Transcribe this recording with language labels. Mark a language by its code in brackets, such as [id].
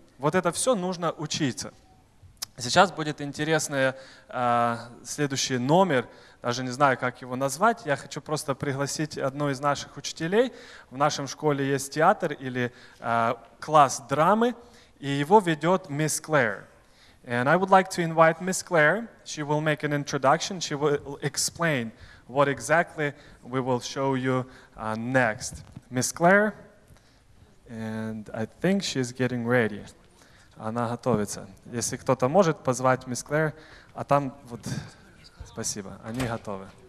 [ru] Вот это все нужно учиться. Сейчас будет интересный следующий номер, даже не знаю, как его назвать. Я хочу просто пригласить одну из наших учителей. В нашем школе есть театр или класс драмы, и его ведет мисс Клэр. [en] And I would like to invite Miss Claire. She will make an introduction. She will explain what exactly we will show you next. Miss Claire, and I think she's getting ready. [ru] Она готовится. Если кто-то может позвать Miss Claire, а там вот, спасибо, они готовы.